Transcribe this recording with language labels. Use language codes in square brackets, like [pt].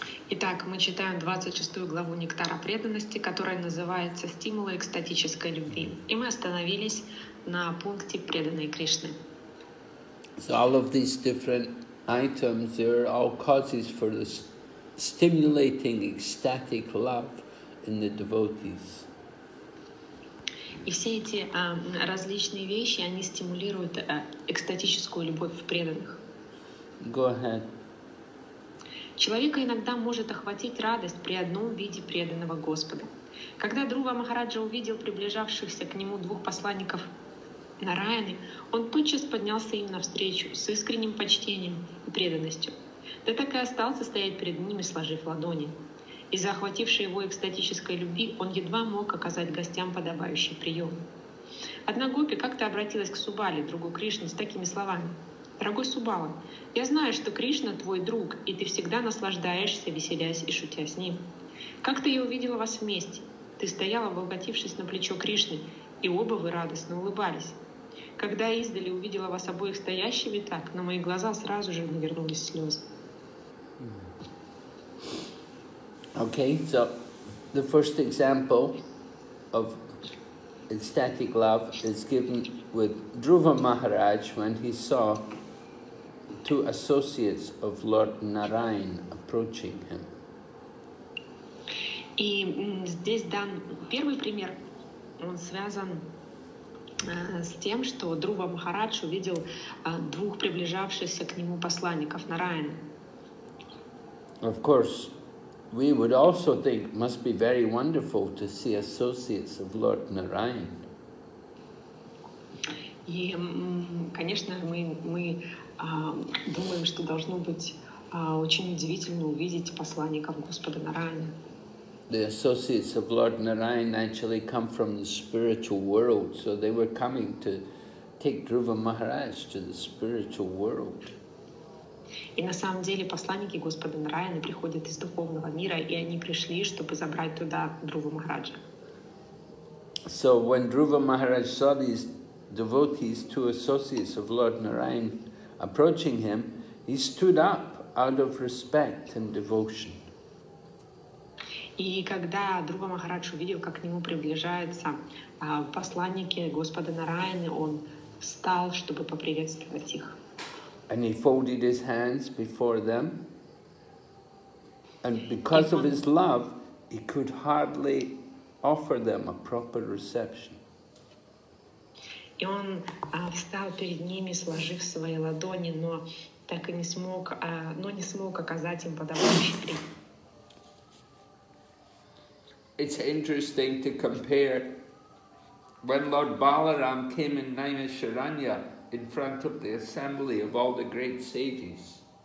[ru] Итак, мы читаем 26 главу Нектара преданности, которая называется «Стимулы экстатической любви». И мы остановились на пункте «Преданные Кришны». [en] So all of these different items, they're all causes for the stimulating ecstatic love in the devotees. [ru] И все эти различные вещи, они стимулируют экстатическую любовь в преданных. [en] Go ahead. [ru] Человека иногда может охватить радость при одном виде преданного Господа. Когда Друва Махараджа увидел приближавшихся к нему двух посланников Нараяны, он тотчас поднялся им навстречу с искренним почтением и преданностью. Да так и остался стоять перед ними, сложив ладони. Из-за охватившей его экстатической любви он едва мог оказать гостям подобающий прием. Одна гопи как-то обратилась к Субали, другу Кришне, с такими словами. «Дорогой Субала, я знаю, что Кришна – твой друг, и ты всегда наслаждаешься, веселясь и шутя с ним. Как-то я увидела вас вместе. Ты стояла, облокотившись на плечо Кришны, и оба вы радостно улыбались. Когда я издали увидела вас обоих стоящими так, на мои глаза сразу же навернулись слезы». [en] Okay, so the first example of ecstatic love is given with Dhruva Maharaj when he saw two associates of Lord Narayan approaching him. [ru] И здесь дан первый пример. Он связан с тем, что Друва Махарадж увидел двух приближавшихся к нему посланников Нараяна. [en] Of course, we would also think must be very wonderful to see associates of Lord Narayan. [ru] И, конечно, мы думаем, что должно быть очень удивительно увидеть посланников Господа Нараяны. [en] The associates of Lord Narayan actually come from the spiritual world, so they were coming to take Dhruva Maharaj to the spiritual world. [ru] И на самом деле посланники Господа Нараяны приходят из духовного мира, и они пришли, чтобы забрать туда Дхрува Махараджа. [en] So when Dhruva Maharaj saw these devotees, two associates of Lord Narayan approaching him, he stood up out of respect and devotion. [ru] И когда Дхрува Махарадж увидел, как к нему приближаются посланники Господа Нараяны, он встал, чтобы поприветствовать их. [en] And he folded his hands before them. And because of his love, he could hardly offer them a proper reception. [ru] И он встал перед ними, сложив свои ладони, но так и не смог, не смог оказать им подобающий прием. [en] It's interesting to compare when Lord Balaram came in Naimisharanya in front of the assembly of all the great sages.